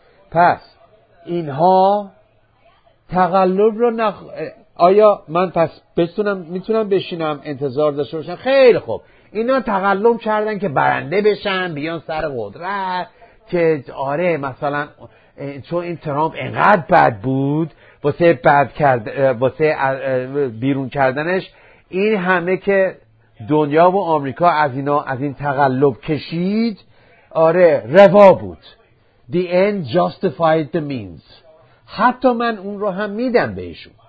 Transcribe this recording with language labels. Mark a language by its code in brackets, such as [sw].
[fa] پس اینها تقلب رو آیا من پس بتونم میتونم بشینم انتظار داشته باشم؟ خیلی خوب، اینا تقلب کردن که برنده بشن، بیان سر قدرت که آره مثلا چون این ترامپ انقدر بد بود واسه بد کرد، واسه بیرون کردنش، این همه که دنیا و آمریکا از اینا از این تقلب کشید، آره روا بود. [en] The end justified the means. [fa] حتی من اون رو هم میدم بهشون.